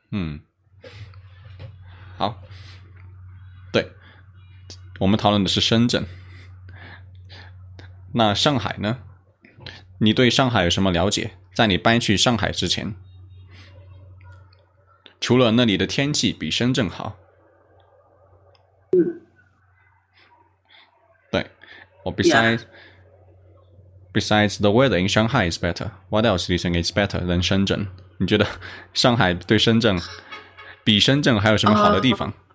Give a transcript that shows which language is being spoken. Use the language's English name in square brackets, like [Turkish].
[Chinese] 嗯，好，对，我们讨论的是深圳。那上海呢？你对上海有什么了解？在你搬去上海之前，除了那里的天气比深圳好，嗯，对，我 [English] besides the weather in Shanghai is better. What else do you think is better than 深圳？ [Chinese] 你觉得上海对深圳比深圳还有什么好的地方？